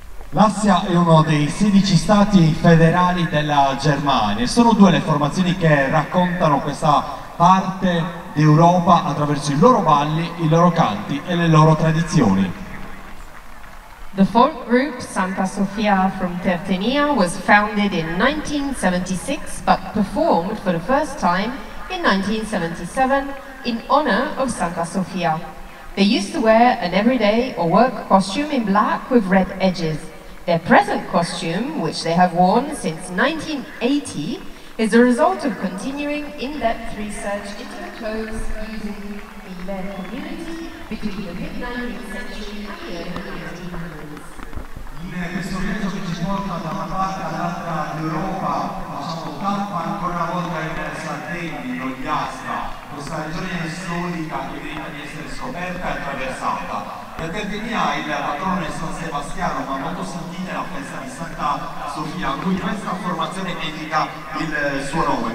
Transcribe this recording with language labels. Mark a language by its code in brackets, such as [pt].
[it] L'Assia è uno dei 16 stati federali della Germania. Sono due le formazioni che raccontano questa parte d'Europa attraverso i loro balli, i loro canti e le loro tradizioni. [en] The folk group Santa Sofia from Tertenia was founded in 1976 but performed for the first time in 1977 in honor of Santa Sofia. They used to wear an everyday or work costume in black with red edges. Their present costume, which they have worn since 1980, is a result of continuing in-depth research into the clothes used in their community between the mid-19th century and the early 1900s. [it] In questo viaggio che ci porta da una parte all'altra d'Europa, facciamo tappa ancora una volta in Sardegna, in Ogliastra, questa regione storica che merita di essere scoperta e attraversata. La Tertenia ha il patrono di San Sebastiano, ma molto sentita la festa di Santa Sofia, cui questa formazione dedica il suo nome.